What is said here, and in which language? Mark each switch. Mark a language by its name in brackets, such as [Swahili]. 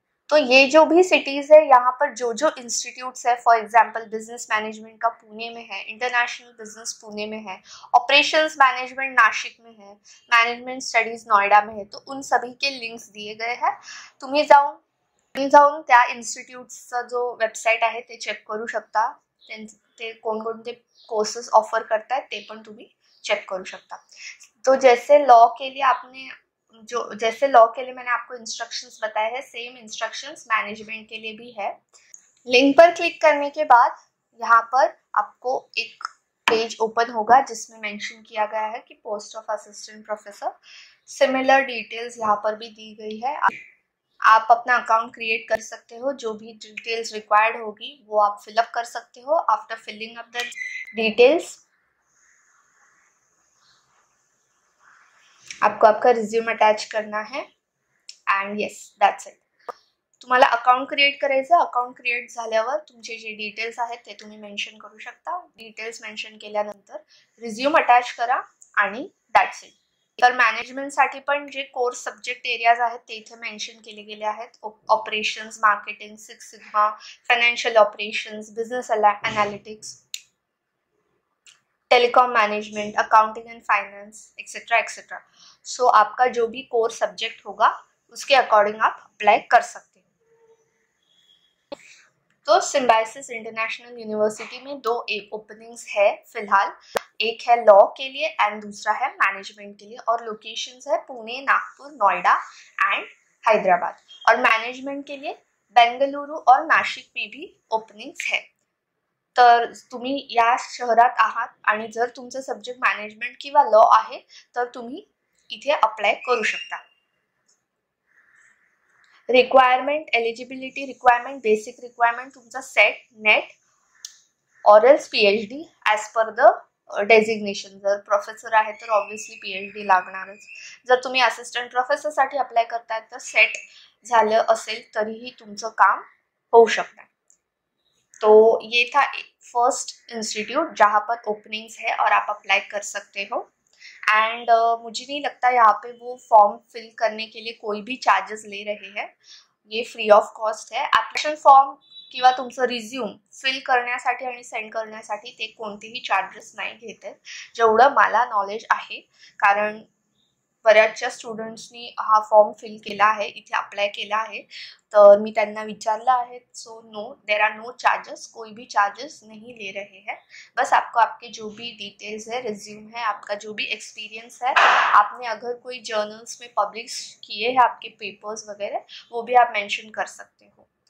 [Hindi] तो ये जो भी सिटीज है, यहाँ पर जो जो इंस्टीट्यूट्स है, फॉर एग्जांपल बिजनेस मैनेजमेंट का पुणे में है, इंटरनेशनल बिजनेस पुणे में है, ऑपरेशंस मैनेजमेंट नासिक में है, मैनेजमेंट स्टडीज नोएडा में है, तो उन सभी के लिंक्स दिए गए हैं। [Marathi] तुम्ही जाऊन त्या इंस्टीट्यूट्सचा जो वेबसाइट आहे ते चेक करू शकता, ते कोणकोणते कोर्सेस ऑफर करत आहेत ते पण तुम्ही चेक करू शकता। [Hindi] तो जैसे लॉ के लिए आपने जो जैसे लॉ के लिए मैंने आपको इंस्ट्रक्शंस बताए हैं, सेम इंस्ट्रक्शंस मैनेजमेंट के लिए भी है। लिंक पर क्लिक करने के बाद यहाँ पर आपको एक पेज ओपन होगा जिसमें मेंशन किया गया है कि post of assistant professor, similar details यहाँ पर भी दी गई है। आप अपना अकाउंट क्रिएट कर सकते हो, जो भी डिटेल्स रिक्वायर्ड होगी वो आप फिलअप कर सकते हो। After filling up the details आपको आपका रिज्यूम अटैच करना है [English] And yes that's it. [Marathi] तुम्हाला अकाउंट क्रिएट करायचं, अकाउंट क्रिएट झाल्यावर तुमचे जे डिटेल्स आहेत ते तुम्ही मेंशन करू शकता। डिटेल्स मेंशन केल्यानंतर रिज्यूम अटॅच करा आणि दॅट्स इट। तर मॅनेजमेंटसाठी पण जे कोर सब्जेक्ट एरियाज आहेत ते इथे मेंशन केले गेले आहेत, operations, marketing, six sigma, financial operations, business analytics, telecom management, accounting end finance etcetera etcetera. [Hindi] सो आपका जो भी कोर सब्जेक्ट होगा उसके अकॉर्डिंग आप अप्लाई कर सकते हैं। तो सिम्बायसिस इंटरनेशनल यूनिवर्सिटी में दो ओपनिंग्स है फिलहाल, एक है लॉ के लिए एंड दूसरा है मैनेजमेंट के लिए, और लोकेशंस है पुणे, नागपुर, नोएडा एंड हैदराबाद। और मैनेजमेंट के लिए बेंगलुरु और नासिक में भी ओपनिंग्स है। [Marathi] तर तुम्ही या शहरात आहात आणि जर तुमचं सब्जेक्ट मॅनेजमेंट किंवा लॉ आहे तर तुम्ही इथे अप्लाय करू शकता। [English] Requirement, eligibility requirement, basic requirement तुमचा SET, NET or else PhD as per the designation. [Marathi] जर प्रोफेसर आहे तर ऑब्व्हियसली PhD लागणारच। जर तुम्ही असिस्टंट प्रोफेसरसाठी अप्लाय करताय तर सेट झालं असेल तरीही तुमचं काम होऊ शकतं। [Hindi] तो ये था फर्स्ट इंस्टीट्यूट जहाँ पर ओपनिंग्स है और आप अप्लाई कर सकते हो। एंड मुझे नहीं लगता यहाँ पे वो फॉर्म फिल करने के लिए कोई भी चार्जेस ले रहे हैं, ये फ्री ऑफ कॉस्ट है। [Marathi] एप्लिकेशन फॉर्म किंवा तुमचं रिज्यूम फिल करण्यासाठी आणि सेंड करण्यासाठी ते कोणतेही चार्जेस नाही घेत आहेत जेवढं मला नॉलेज आहे, कारण बऱ्याचशा स्टुडंट्सनी हा फॉर्म फिल केला आहे, इथे अप्लाय केला आहे, तर मी त्यांना विचारलं आहे। [English] so no, there are no charges, [Hindi] कोई भी चार्जेस नहीं ले रहे हैं। बस आपको आपके जो भी डिटेल्स है, रिज्यूम है, आपका जो भी एक्सपीरियंस है, आपने अगर कोई जर्नल्स में पब्लिश किए हैं आपके पेपर्स वगैरह, वो भी आप मेंशन कर सकते हो।